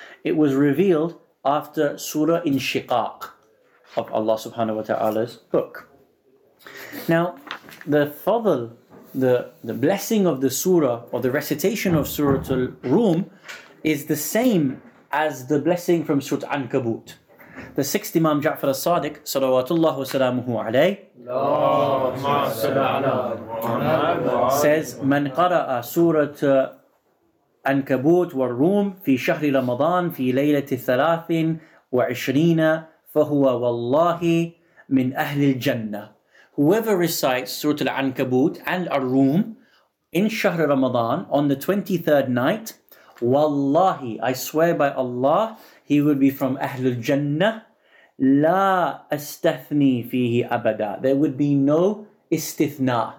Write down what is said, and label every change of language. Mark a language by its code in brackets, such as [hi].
[en] It was revealed after Surah Inshiqaq of Allah subhanahu wa ta'ala's book. Now, the fadl, the blessing of the surah, or the recitation of Surah Al-Rum, is the same as the blessing from Surah Ankabut. The sixth Imam Ja'far al-Sadiq, salawatullahu salamuhu alayhi, says, [ar] من قرأ سورة أنكبوت والروم في شهر رمضان في ليلة الثلاث وعشرين فهو والله من أهل الجنة. [en] Whoever recites Surah Al-Ankabut and Ar-Rum in [ar] شهر رمضان [en] on the 23rd night, wallahi, I swear by Allah, he would be from Ahlul Jannah. [ar] La astathni fihi abada. [en] There would be no istithna.